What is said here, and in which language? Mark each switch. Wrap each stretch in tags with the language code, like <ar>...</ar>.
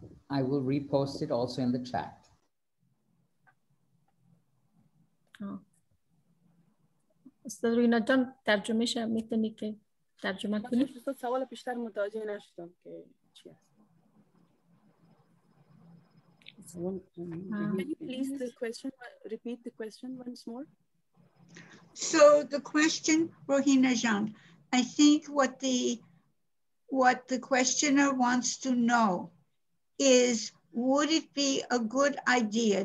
<en>I will repost it also in the chat.</en> <fa>سرینه جان ترجمه شه میتونی که ترجمه کنی؟ سوال بیشتر متوجه نشدم که چی است.</fa> <en>Can you please the question, repeat the question once more? So the question, Rohina Jean, I think what the questioner wants to know is, would it be a good idea?</en>